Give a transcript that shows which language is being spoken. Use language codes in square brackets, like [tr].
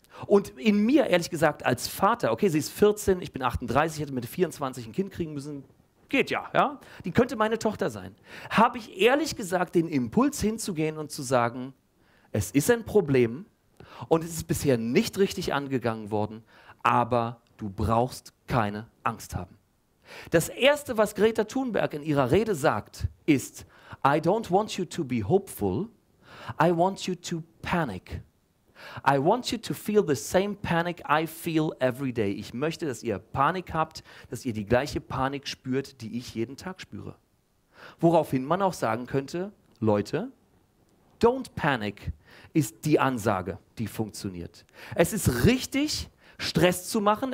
[de] Und in mir, ehrlich gesagt, als Vater, okay, sie ist 14, ich bin 38, hätte mit 24 ein Kind kriegen müssen, geht ja, ja, die könnte meine Tochter sein, habe ich ehrlich gesagt den Impuls hinzugehen und zu sagen, es ist ein Problem und es ist bisher nicht richtig angegangen worden, aber du brauchst keine Angst haben. Das Erste, was Greta Thunberg in ihrer Rede sagt, ist, [en] I don't want you to be hopeful, I want you to panic. I want you to feel the same panic I feel every day. [de] Ich möchte, dass ihr Panik habt, dass ihr die gleiche Panik spürt, die ich jeden Tag spüre. Woraufhin man auch sagen könnte, Leute, [en] don't panic [de] ist die Ansage, die funktioniert. Es ist richtig, Stress zu machen.